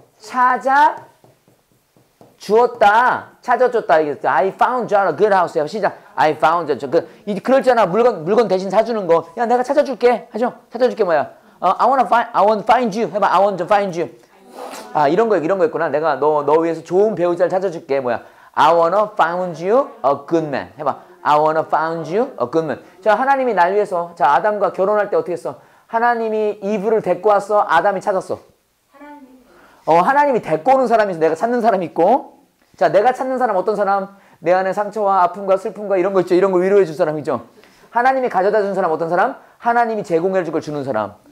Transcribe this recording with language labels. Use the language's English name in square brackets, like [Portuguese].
[Korean] 찾아주었다. 찾아줬다. [English] I found you a good house. [Korean] 시작. [English] I found you. [Korean] 그럴잖아. 물건 대신 사주는 거. 야, 내가 찾아줄게. 하죠? 찾아줄게 뭐야? [English] I want to find you. [Korean] 해봐. [English] I want to find you. [Korean] 아, 이런 거였구나. 내가 너 위해서 좋은 배우자를 찾아줄게. 뭐야? [English] I want to find you a good man. [Korean] 해봐. [English] I want to find you a good man. [Korean] 자, 하나님이 날 위해서. 자, 아담과 결혼할 때 어떻게 했어? 하나님이 이브를 데리고 왔어? 아담이 찾았어? 하나님이 데리고 오는 사람이 있어. 내가 찾는 사람이 있고. 자, 내가 찾는 사람 어떤 사람? 내 안에 상처와 아픔과 슬픔과 이런 거 있죠. 이런 거 위로해 줄 사람이죠. 하나님이 가져다 준 사람 어떤 사람? 하나님이 제공해 줄 걸 주는 사람.